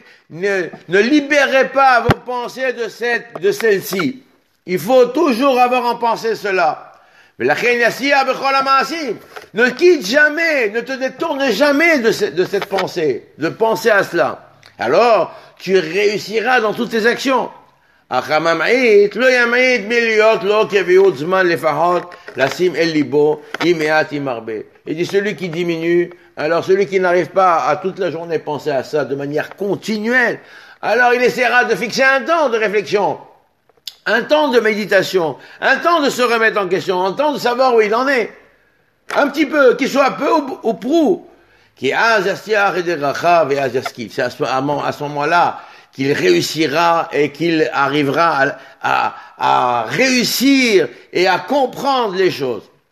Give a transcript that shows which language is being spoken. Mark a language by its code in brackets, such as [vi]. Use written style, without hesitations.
[fr] Ne libérez pas vos pensées de celle-ci. Il faut toujours avoir en pensée cela. Ne quitte jamais, ne te détourne jamais de cette pensée, de penser à cela. Alors, tu réussiras dans toutes tes actions. [he] אך הממעיט לא ימעיט מלהיות לו כביעות זמן לפחות לשים אל ליבו עם מעט עם הרבה. [fr] Et dit celui qui diminue, alors celui qui n'arrive pas à toute la journée penser à ça de manière continuelle, alors il essaiera de fixer un temps de réflexion, un temps de méditation, un temps de se remettre en question, un temps de savoir où il en est. Un petit peu, qu'il soit peu ou prou. C'est à ce moment-là qu'il réussira et qu'il arrivera à réussir et à comprendre les choses.